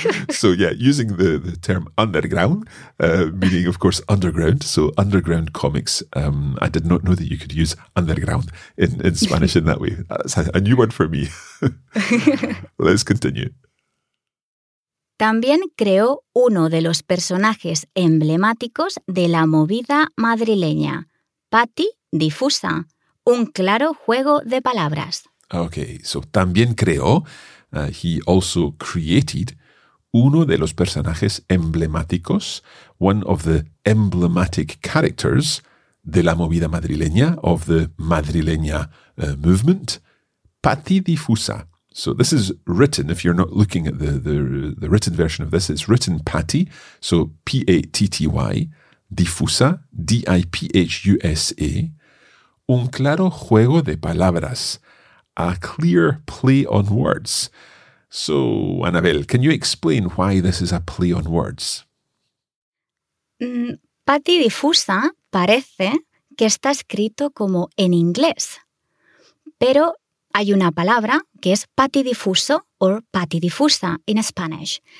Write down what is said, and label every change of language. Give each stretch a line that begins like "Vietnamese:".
English: So, yeah, using the term underground, meaning, of course, underground. So, underground comics. I did not know that you could use underground in Spanish in that way. That's a new one for me. Let's continue.
Spanish: También creó uno de los personajes emblemáticos de la movida madrileña, Patty Difusa, un claro juego de palabras.
English: Okay, so
Spanish: también creó,
English: he also created,
Spanish: uno de los personajes emblemáticos,
English: one of the emblematic characters
Spanish: de la movida madrileña,
English: of the madrileña movement, Patty Difusa. So this is written, if you're not looking at the written version of this, it's written Patty, so P-A-T-T-Y, difusa, D-I-P-H-U-S-A,
Spanish: un claro juego de palabras,
English: a clear play on words. So, Anabel, can you explain why this is a play on words?
Spanish: Pati difusa parece que está escrito como en inglés, pero hay una palabra que es patidifuso or patidifusa
English: in Spanish.